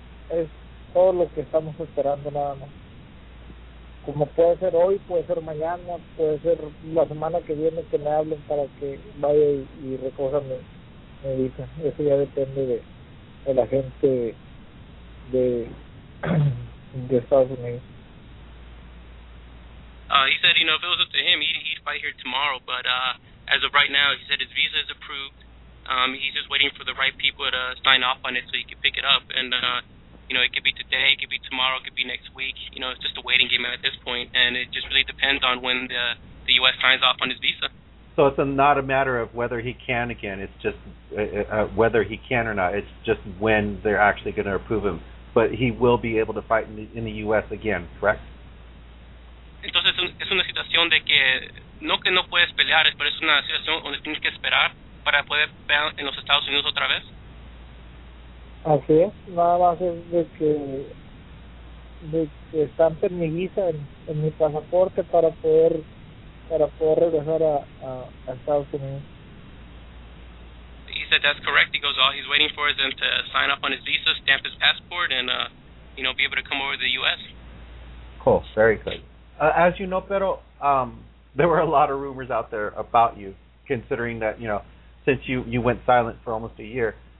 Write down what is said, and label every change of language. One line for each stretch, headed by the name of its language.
Spanish: Es todo lo que estamos esperando, nada más. Como puede ser hoy, puede ser mañana, puede ser la semana que viene que me hablen para que vaya y recoja mi visa. Eso ya depende de la gente de Estados Unidos.
English: He said, you know, if it was up to him, he'd fight here tomorrow. But as of right now, he said his visa is approved. He's just waiting for the right people to sign off on it so he can pick it up. And, you know, it could be today, it could be tomorrow, it could be next week. You know, it's just a waiting game at this point. And it just really depends on when the U.S. signs off on his visa. So it's not a matter of whether he can again. It's just whether he can or not. It's just when they're actually going to approve him. But he will be able to fight in the U.S. again, correct?
Spanish: Entonces es una situación de que no puedes pelear, pero es una situación donde tienes que esperar para poder pelear en los Estados Unidos otra vez. Así es, nada más es de que estampen mi visa en mi pasaporte para poder regresar a Estados Unidos.
English: He said that's correct. He goes, all he's waiting for is them to sign up on his visa, stamp his passport, and you know, be able to come over to the U.S. Cool, very good. As you know, Pedro, there were a lot of rumors out there about you, considering that, you know, since you went silent for almost a year.